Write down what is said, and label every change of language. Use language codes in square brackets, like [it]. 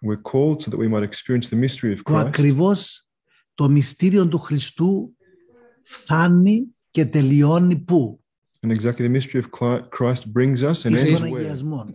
[en] We're called so that we might experience the mystery of Christ. [el] Ακριβώς το μυστήριο του Χριστού φθάνει και τελειώνει πού. [en] And exactly the mystery of Christ brings us and ends where.